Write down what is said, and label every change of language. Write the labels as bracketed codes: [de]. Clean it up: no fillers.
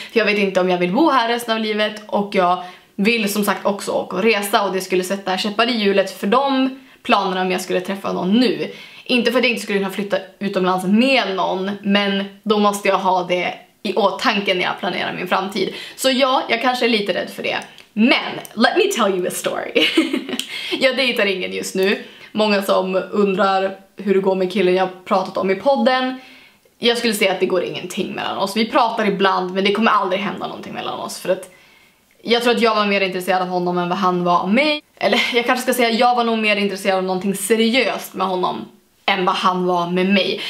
[sv] För jag vet inte om jag vill bo här resten av livet. Och jag vill som sagt också åka och resa, och det skulle sätta käppar i hjulet för de planerna om jag skulle träffa någon nu. Inte för att jag inte skulle kunna flytta utomlands med någon, men då måste jag ha det i åtanke när jag planerar min framtid. Så ja, jag kanske är lite rädd för det. Men, [en] let me tell you a story. [sv] Jag dejtar ingen just nu. Många som undrar hur det går med killen jag pratat om i podden. Jag skulle säga att det går ingenting mellan oss. Vi pratar ibland, men det kommer aldrig hända någonting mellan oss. För att jag tror att jag var mer intresserad av honom än vad han var av mig. Eller jag kanske ska säga att jag var nog mer intresserad av någonting seriöst med honom än vad han var med mig.